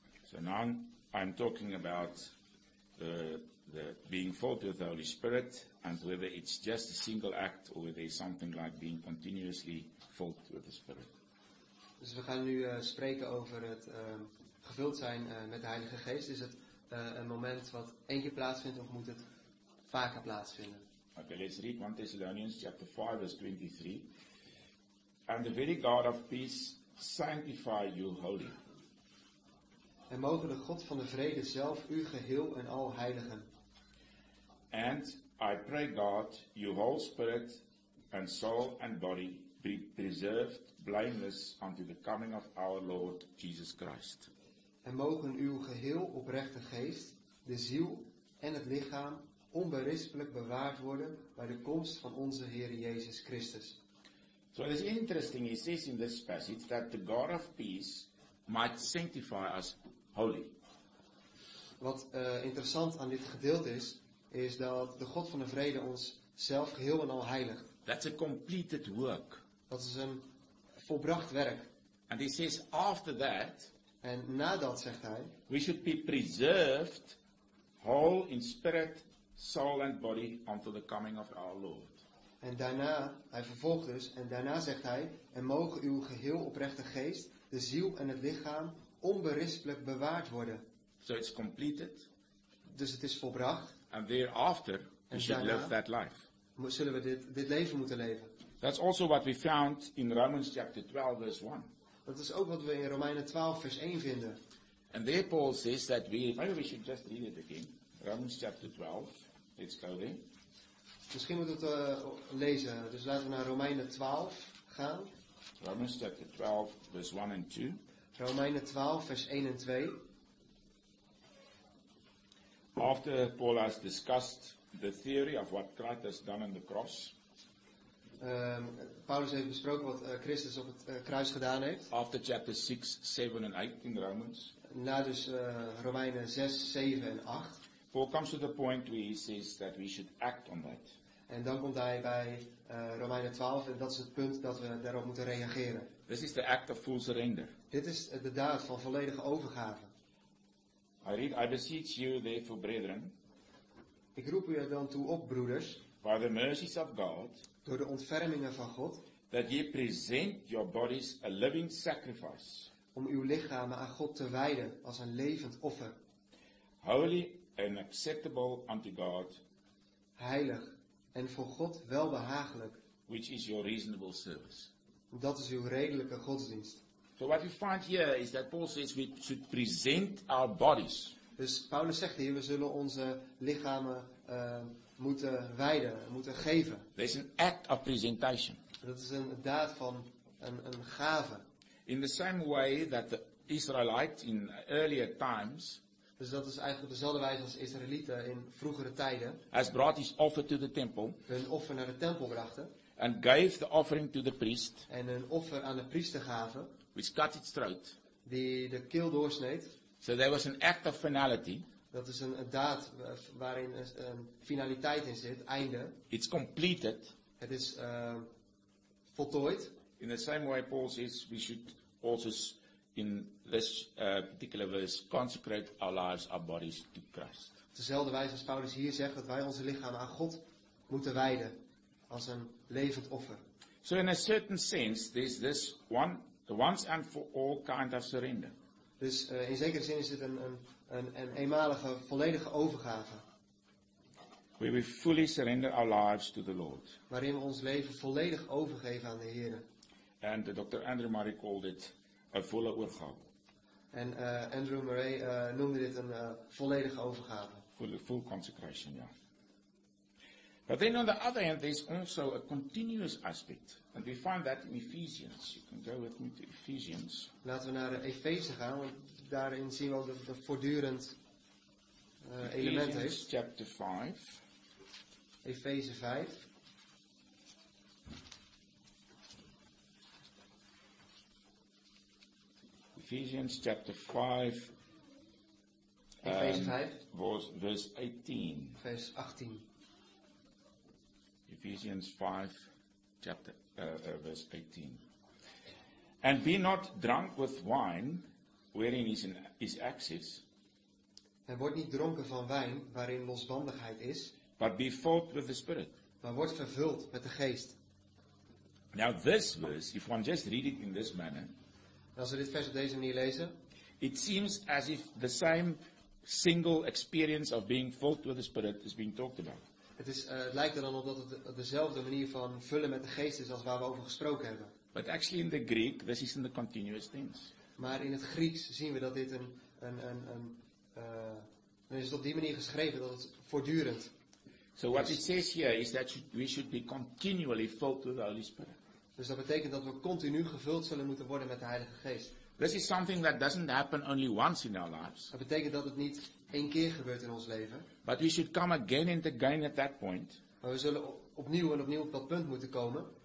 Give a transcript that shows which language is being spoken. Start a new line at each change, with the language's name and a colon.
English: So now I'm talking about the being filled with the Holy Spirit, and whether it's just a single act or whether it's something like being continuously filled with the Spirit.
Dutch: Dus we gaan nu spreken over het gevuld zijn met de Heilige Geest. Is het een moment wat één keer plaatsvindt of moet het vaker plaatsvinden?
English: Okay, let's read 1 Thessalonians chapter 5, verse 23. And the very God of peace sanctify you wholly.
Dutch: En mogen de God van de vrede zelf u geheel en al heiligen.
English: And I pray God, your whole spirit and soul and body be preserved blameless unto the coming of our Lord Jesus Christ.
Dutch: En mogen uw geheel oprechte geest, de ziel en het lichaam onberispelijk bewaard worden bij de komst van onze Heer Jezus Christus.
English: So it is interesting, he says in this passage that the God of peace might sanctify us holy.
Dutch: Wat interessant aan dit gedeelte is, is dat de God van de vrede ons zelf geheel en al heiligt.
English: That's a completed work.
Dutch: Dat is een volbracht werk.
English: And he says after that,
Dutch: en nadat zegt hij,
English: we should be preserved whole in spirit, soul and body until the coming of our Lord.
Dutch: En daarna, hij vervolgt dus, en daarna zegt hij, en mogen uw geheel oprechte geest, de ziel en het lichaam onberispelijk bewaard worden.
English: So it's completed.
Dutch: Dus het is volbracht.
English: And thereafter, we should live that life.
Dutch: Zullen we dit leven moeten leven?
English: That's also what we found in Romans chapter 12, verse 1.
Dutch: Dat is ook wat we in Romeinen 12, vers 1 vinden.
English: And there Paul says that we, maybe we should just read it again. Romans chapter 12, let's go there.
Dutch: Misschien moeten we het lezen. Dus laten we naar Romeinen 12 gaan.
English: Romans chapter 12, verse 1 and 2.
Dutch: Romeinen 12, vers 1 en 2.
English: After Paul has discussed the theory of what Christ has done on the cross.
Dutch: Paulus heeft besproken wat Christus op het kruis gedaan heeft.
English: After chapter 6, 7 and 8 in Romans.
Dutch: Na dus Romeinen 6, 7 en 8.
English: Paul comes to the point where he says that we should act on that.
Dutch: En dan komt hij bij Romeinen 12 en dat is het punt dat we daarop moeten reageren.
English: This is the act of full surrender.
Dutch: Dit is de daad van volledige overgave.
English: I beseech you, therefore, brethren.
Dutch: Ik roep u er dan toe op, broeders.
English: By the mercies of God.
Dutch: Door de ontfermingen van God.
English: That ye present your bodies a living sacrifice.
Dutch: Om uw lichamen aan God te wijden als een levend offer.
English: Holy and acceptable unto God.
Dutch: Heilig en voor God welbehagelijk.
English: Which is your reasonable service.
Dutch: Dat is uw redelijke godsdienst.
English: So what we find here is that Paul says we should present our bodies.
Dutch: Dus Paulus zegt hier, we zullen onze lichamen moeten wijden, moeten geven.
English: There's an act of presentation.
Dutch: Dat is een daad van een gave.
English: In the same way that the Israelites in earlier times.
Dutch: Dus dat is eigenlijk dezelfde wijze als Israëlieten in vroegere tijden.
English: Has brought his offer to the temple.
Dutch: Hun offer naar de tempel brachten.
English: And gave the offering to the priest.
Dutch: En een offer aan de priester gaven.
English: Which cut its throat.
Dutch: Die de keel doorsneed.
English: So there was an act of finality.
Dutch: Dat is een daad waarin een finaliteit in zit, einde.
English: It's completed.
Dutch: Het is voltooid.
English: In the same way Paul says we should also in this particular verse consecrate our lives, our bodies to Christ.
Dutch: Op dezelfde wijze als Paulus hier zegt dat wij onze lichaam aan God moeten wijden als een levend offer.
English: So in a certain sense there's this one. The once and for all kind of surrender.
Dutch: Dus in zekere zin is het een eenmalige, volledige overgave.
English: Where we fully surrender our lives to the Lord.
Dutch: Waarin we ons leven volledig overgeven aan de Heer.
English: And the Dr. Andrew Murray called it a
Dutch: volle overgave. En Andrew Murray noemde dit een volledige overgave.
English: Full consecration, ja. But then on the other hand, there's also a continuous aspect. And we find that in Ephesians. You can go with me to Ephesians.
Dutch: Laten we naar Efeze gaan, want daarin zien we al de voortdurend element heeft.
English: Ephesians chapter 5.
Dutch: Efeze 5.
English: Ephesians 5, Ephesians chapter 5, verse 18.
Dutch: Vers 18.
English: Ephesians 5, chapter, verse 18. And be not drunk with wine, wherein is excess.
Dutch: En word niet dronken van wijn, waarin losbandigheid is.
English: But be filled with the Spirit.
Dutch: Maar word vervuld met de geest.
English: Now this verse, if one just read it in this manner.
Dutch: En als we dit vers op deze manier lezen.
English: It seems as if the same single experience of being filled with the Spirit is being talked about.
Dutch: Het, is, het lijkt er dan op dat het dezelfde manier van vullen met de geest is als waar we over gesproken hebben.
English: But actually in the Greek, this is in the continuous tense.
Dutch: Maar in het Grieks zien we dat dit dan is het op die manier geschreven dat het voortdurend.
English: So what it says here is that we should be continually filled with the Holy Spirit.
Dutch: Dus dat betekent dat we continu gevuld zullen moeten worden met de Heilige Geest.
English: This is something that doesn't happen only once in our lives.
Dutch: Dat betekent dat het niet één keer gebeurt in ons leven.
English: But we should come again and again at that point.
Dutch: Maar we zullen opnieuw en opnieuw op dat punt moeten komen.